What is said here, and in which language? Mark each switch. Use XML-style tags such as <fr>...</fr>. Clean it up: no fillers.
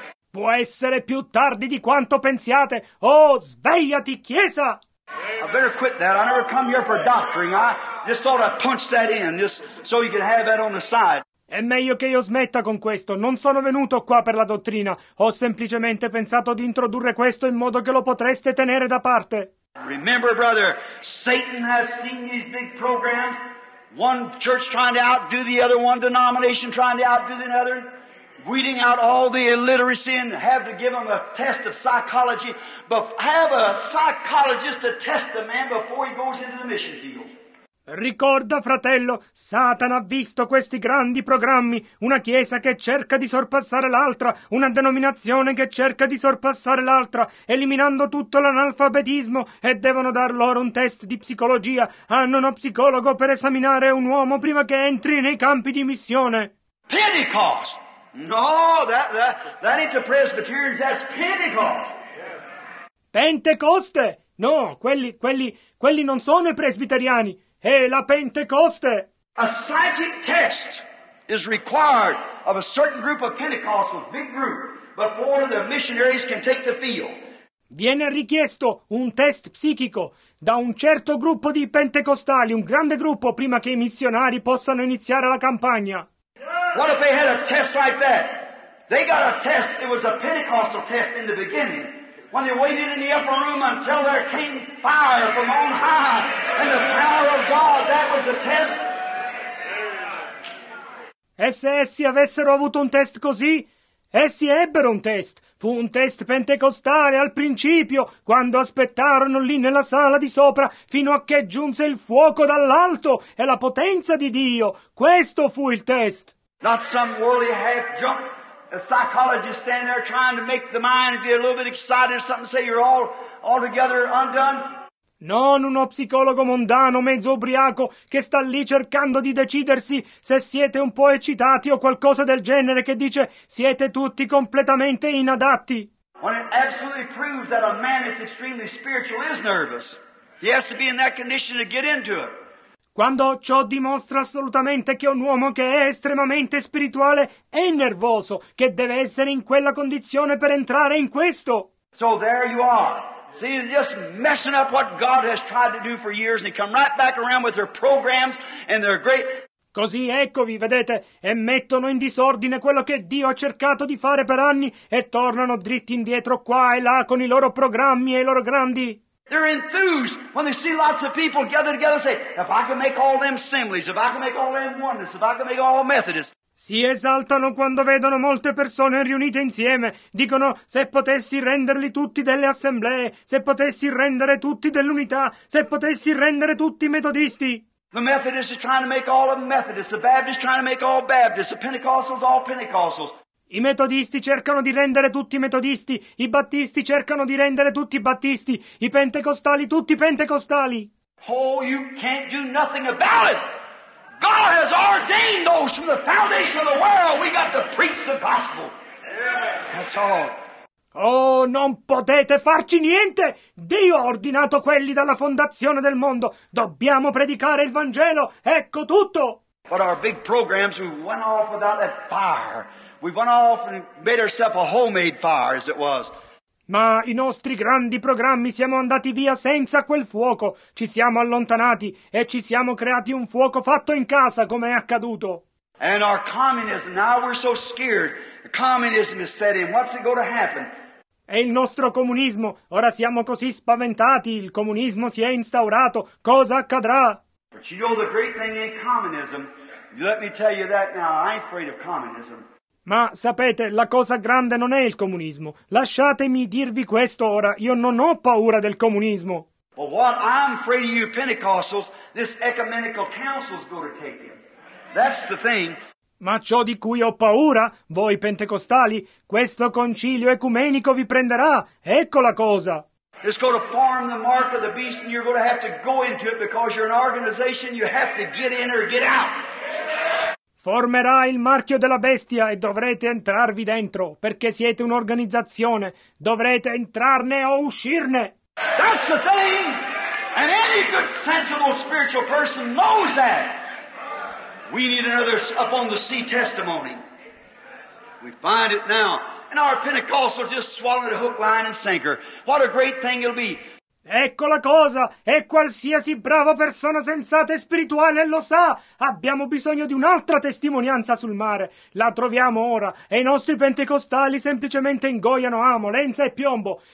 <it>Può essere più tardi di quanto pensiate. Oh, svegliati, chiesa!</it> <en>I better quit that. I never come here for doctoring. I just thought I'd punch that in, just so you could have that on the side.</en> <it>È meglio che io smetta con questo. Non sono venuto qua per la dottrina. Ho semplicemente pensato di introdurre questo in modo che lo potreste tenere da parte.</it> <en>Remember, brother, Satan has seen these big programs. One church trying to outdo the other, one denomination trying to outdo the other. Weeding out all the illiteracy and have to give them a test of psychology, but have a psychologist to test the man before he goes into the mission field.</en> <it>Ricorda, fratello, Satana ha visto questi grandi programmi, una chiesa che cerca di sorpassare l'altra, una denominazione che cerca di sorpassare l'altra, eliminando tutto l'analfabetismo, e devono dar loro un test di psicologia. Hanno uno psicologo per esaminare un uomo prima che entri nei campi di missione.</it> <en>Pentecost! No, that ain't the Presbyterians, that's Pentecost.</en> <it>Pentecoste? No, quelli non sono i presbiteriani. È la Pentecoste.</it> <en>A psychic test is required of a certain group of Pentecostals, big group, before the missionaries can take the field.</en> <it>Viene richiesto un test psichico da un certo gruppo di pentecostali, un grande gruppo, prima che i missionari possano iniziare la campagna.</it> <en>What if they had a test like that? They got a test. It was a Pentecostal test in the beginning. When they waited in the upper room until there came fire from on high and the power of God, that was the test.</en> <it>E se essi avessero avuto un test così? Essi ebbero un test. Fu un test pentecostale al principio, quando aspettarono lì nella sala di sopra fino a che giunse il fuoco dall'alto e la potenza di Dio. Questo fu il test.</it> <en>Not some worldly half-junk psychologist standing there trying to make the mind be a little bit excited or something, say you're altogether undone.</en> <it>Non uno psicologo mondano, mezzo ubriaco, che sta lì cercando di decidersi se siete un po' eccitati o qualcosa del genere, che dice siete tutti completamente inadatti.</it> <en>When it absolutely proves that a man that's extremely spiritual is nervous, he has to be in that condition to get into it.</en> <it>Quando ciò dimostra assolutamente che un uomo che è estremamente spirituale è nervoso, che deve essere in quella condizione per entrare in questo.</it> <en>So there you are, See, just messing up what God has tried to do for years, and they come right back around with their programs and their great...</en> <it>Così, eccovi, vedete, e mettono in disordine quello che Dio ha cercato di fare per anni e tornano dritti indietro qua e là con i loro programmi e i loro grandi...</it> <en>They're enthused when they see lots of people gather together and say, if I can make all them assemblies, if I can make all them oneness, if I can make all Methodists...</en> <it>Si esaltano quando vedono molte persone riunite insieme. Dicono, se potessi renderli tutti delle assemblee, se potessi rendere tutti dell'unità, se potessi rendere tutti metodisti.</it> <en>The Methodist is trying to make all of Methodists, the Baptist is trying to make all Baptists, the Pentecostals all Pentecostals.</en> <it>I metodisti cercano di rendere tutti metodisti, i battisti cercano di rendere tutti battisti, i pentecostali tutti pentecostali.</it> <en>Oh, you can't do nothing about it! God has ordained those from the foundation of the world. We got to preach the gospel. That's all.</en> <it>Oh, non potete farci niente! Dio ha ordinato quelli dalla fondazione del mondo. Dobbiamo predicare il Vangelo. Ecco tutto!</it> <en>But our big programs, we went off without that fire. We went off and made ourselves a homemade fire, as it was.</en> <it>Ma i nostri grandi programmi siamo andati via senza quel fuoco. Ci siamo allontanati e ci siamo creati un fuoco fatto in casa, come è accaduto.</it> <en>And our communism, now we're so scared. The communism is set in. What's it going to happen?</en> <it>E il nostro comunismo, ora siamo così spaventati. Il comunismo si è instaurato. Cosa accadrà?</it> <en>But you know the great thing in communism? Let me tell you that now. I ain't afraid of communism.</en> <it>Ma sapete, la cosa grande non è il comunismo. Lasciatemi dirvi questo ora, io non ho paura del comunismo.</it> <en>Well, what I'm afraid of you Pentecostals, this ecumenical council is going to take it. That's the thing.</en> <it>Ma ciò di cui ho paura, voi pentecostali, questo concilio ecumenico vi prenderà. Ecco la cosa.</it> <en>It's going to form the mark of the beast and you're going to have to go into it because you're an organization, you have to get in or get out.</en> <it>Formerà il marchio della bestia e dovrete entrarvi dentro, perché siete un'organizzazione. Dovrete entrarne o uscirne.</it> <en>That's the thing! And any good, sensible, spiritual person knows that! We need another up on the sea testimony. We find it now. And our Pentecostals just swallowed a hook, line and sinker. What a great thing it'll be!</en> <it>Ecco la cosa, e qualsiasi brava persona sensata e spirituale lo sa, abbiamo bisogno di un'altra testimonianza sul mare. La troviamo ora, e i nostri pentecostali semplicemente ingoiano amo, lenza e piombo.</it>